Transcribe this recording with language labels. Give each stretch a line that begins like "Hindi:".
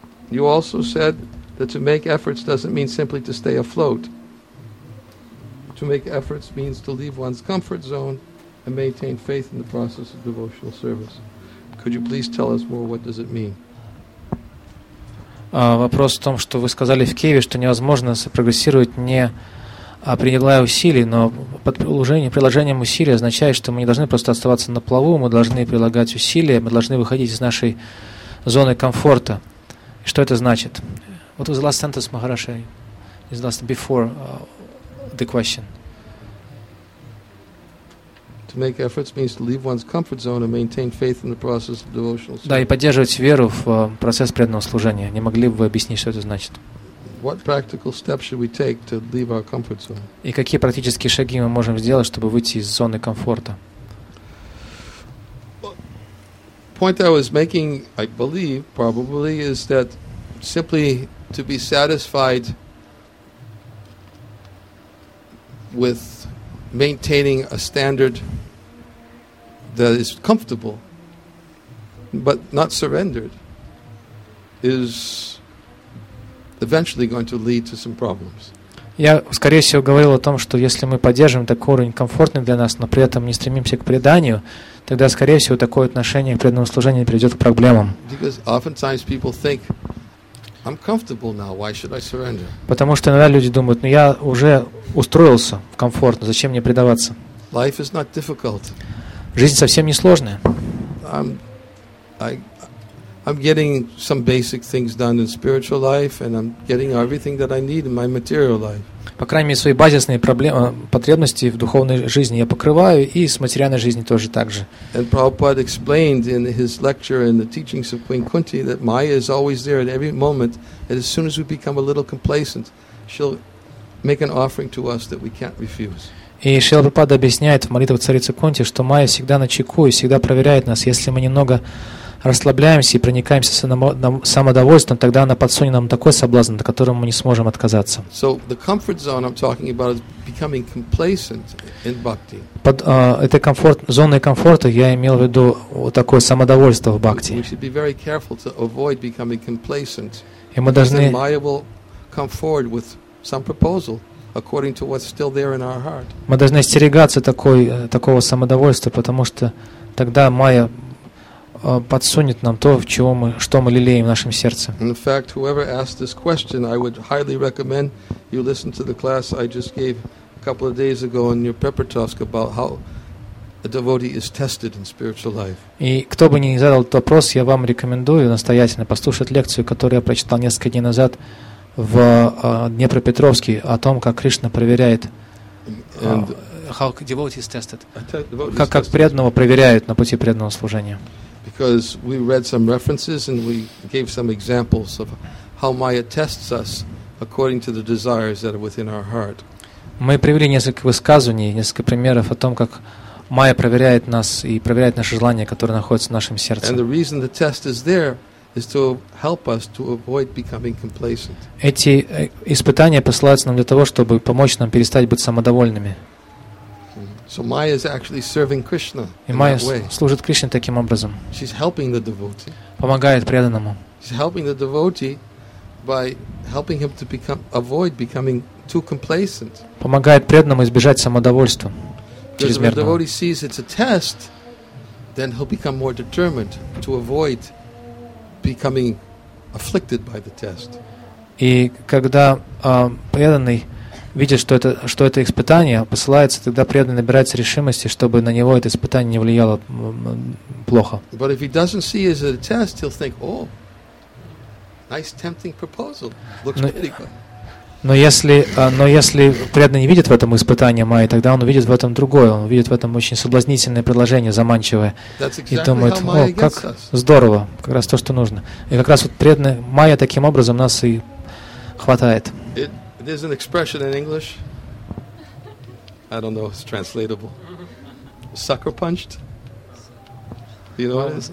English: You also said that to make efforts doesn't mean simply to stay afloat. To make efforts means to leave one's comfort zone and maintain faith in the process of devotional service. Could you please tell us more, what does it mean?
Russian: Вопрос в том, что вы сказали в Киеве, что невозможно прогрессировать, не прилагая усилий, но под приложением усилий означает, что мы не должны просто оставаться на плаву, мы должны прилагать усилия, мы должны выходить из нашей зоны комфорта. И что это значит?
English: What was the last sentence, Maharashi? It's the last before the question. To make efforts means to leave one's comfort zone and maintain faith in the process of devotional service.
Russian: Да, и поддерживать веру в процесс преданного служения. Не могли бы вы объяснить, что это значит?
English: What practical steps should we take to leave our comfort zone?
Russian: И какие практические шаги мы можем сделать, чтобы выйти из зоны комфорта?
English: Well, point I was making, I believe, probably, is that simply to be satisfied with maintaining a standard that is comfortable but not surrendered is eventually going to lead to some problems.
Russian: Я, скорее всего, говорил о том, что если мы поддерживаем такой уровень комфортный для нас, но при этом не стремимся к преданию, тогда, скорее всего, такое отношение к преданному служению приведет к проблемам.
English: Because oftentimes people think, I'm comfortable now. Why should I surrender?
Russian: Потому что иногда люди думают: ну я уже устроился в комфорт, зачем мне предаваться?
English: Life is not difficult.
Russian: Жизнь совсем не сложная.
English: I'm getting some basic things done in spiritual life, and I'm getting everything that I need in my material life.
Russian: По крайней мере, свои базисные проблемы, потребности в духовной жизни я покрываю, и с материальной жизни тоже так же.
English: And Prabhupada explained in his lecture in the teachings of Queen Kunti that Maya is always there at every moment, and as soon as we become a little complacent, she'll make an offering to us that we can't refuse.
Russian: И Шрила Прабхупада объясняет в молитвах царицы Кунти, что Майя всегда начеку и всегда проверяет нас. Если мы немного расслабляемся и проникаемся самодовольством, тогда она подсунет нам такой соблазн, от которого мы не сможем отказаться.
English: So the comfort zone I'm talking about is becoming complacent in bhakti.
Russian: Под этой зоной комфорта я имел в виду вот такое самодовольство в бхакти.
English: We should be very careful to avoid becoming complacent.
Russian: И мы должны.
English: Then Maya will come forward with some proposal according to what's still there in our heart.
Russian: Мы должны остерегаться такого самодовольства, потому что тогда Майя подсунет нам то, что мы лелеем в нашем сердце.
English: In fact, whoever asked this question, I would highly recommend you listen to the class I just gave a couple of days ago in your pepper talk about how a devotee is tested in spiritual life.
Russian: И кто бы ни задал этот вопрос, я вам рекомендую настоятельно послушать лекцию, которую я прочитал несколько дней назад в Днепропетровске, о том, как Кришна проверяет
English: how devotees tested.
Russian: Как преданного проверяют на пути преданного служения.
English: Because we read some references and we gave some examples of how Maya tests us according to the desires that are within our heart.
Russian: Мы привели несколько высказываний, несколько примеров о том, как Майя проверяет нас и проверяет наши желания, которые находятся в нашем сердце.
English: And the reason the test is there is to help us to avoid becoming complacent.
Russian: Эти испытания посылаются нам для того, чтобы помочь нам перестать быть самодовольными.
English: So Maya is actually serving Krishna.
Russian: И Майя служит Кришне таким образом.
English: She's helping the devotee.
Russian: Помогает преданному.
English: She's helping the devotee by helping him to avoid becoming too complacent.
Russian: Помогает преданному избежать самодовольства чрезмерного.
English: If the devotee sees it's a test, then he'll become more determined to avoid becoming afflicted by the test.
Russian: И когда преданный видит, что это испытание посылается, тогда преданный набирается решимости, чтобы на него это испытание не влияло плохо.
English: But if he doesn't see it as a test, he'll think, oh, nice tempting proposal. Looks pretty good.
Russian: Но если преданный не видит в этом испытание Майи, тогда он увидит в этом другое. Он увидит в этом очень соблазнительное предложение, заманчивое.
English: Exactly
Russian: и думает, о, как здорово, как раз то, что нужно. И как раз вот преданный Майя таким образом нас и хватает.
English: There's an expression in English. I don't know if it's translatable. Sucker punched? You know what it is?